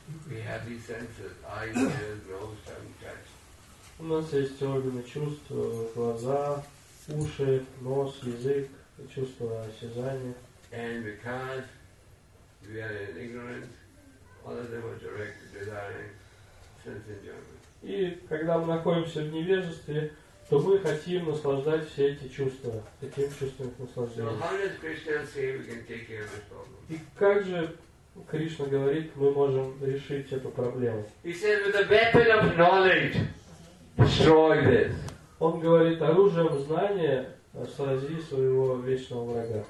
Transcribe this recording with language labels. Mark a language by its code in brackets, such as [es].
[en] We have these senses, eyes, ears, nose, tongue, touch. [ru] У нас есть органы чувств, глаза, уши, нос, язык, чувство осязания. [en] And because we are in ignorance, all of them are directed desiring sense enjoyment. [ru] И когда мы находимся в невежестве, то мы хотим наслаждать все эти чувства, таким чувственным наслаждением. [en] So how does Krishna say we can take care of this problem? [ru] И как же Кришна говорит, мы можем решить эту проблему? [en] He says, with the weapon of knowledge, destroy this. [ru] Он говорит, оружием знания срази своего вечного врага.